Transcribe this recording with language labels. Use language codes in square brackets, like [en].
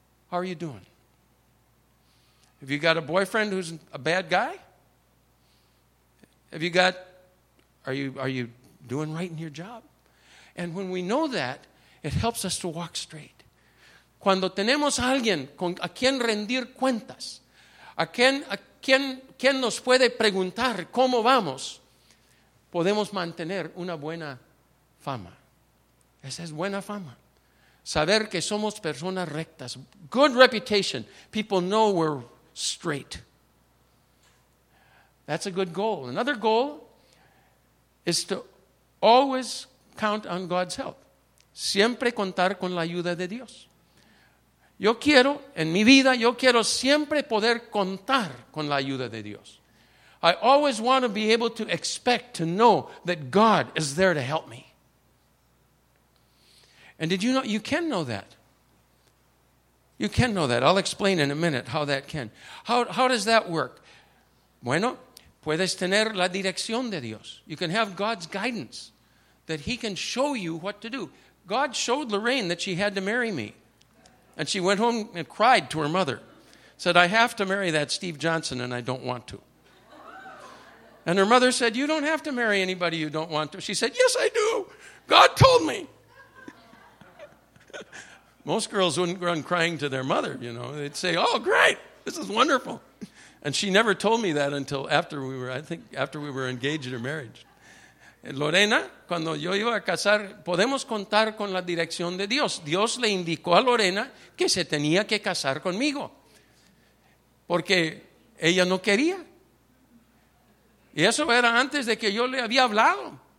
[en] How are you doing? Have you got a boyfriend who's a bad guy? Are you doing right in your job? And when we know that, it helps us to walk straight. [es] Cuando tenemos alguien con a quien rendir cuentas, ¿Quién nos puede preguntar cómo vamos? Podemos mantener una buena fama. Esa es buena fama. Saber que somos personas rectas. [en] Good reputation. People know we're straight. That's a good goal. Another goal is to always count on God's help. [es] Siempre contar con la ayuda de Dios. Yo quiero, en mi vida, yo quiero siempre poder contar con la ayuda de Dios. [en] I always want to be able to expect to know that God is there to help me. And did you know, you can know that. You can know that. I'll explain in a minute how that can. How does that work? [es] Bueno, puedes tener la dirección de Dios. [en] You can have God's guidance, that He can show you what to do. God showed Lorraine that she had to marry me. And she went home and cried to her mother. Said, I have to marry that Steve Johnson and I don't want to. And her mother said, you don't have to marry anybody you don't want to. She said, yes, I do. God told me. Most girls wouldn't run crying to their mother, you know. They'd say, oh, great. This is wonderful. And she never told me that until after we were engaged or married. [es] Lorena, cuando yo iba a casar, podemos contar con la dirección de Dios. Dios le indicó a Lorena que se tenía que casar conmigo. Porque ella no quería. Y eso era antes de que yo le había hablado.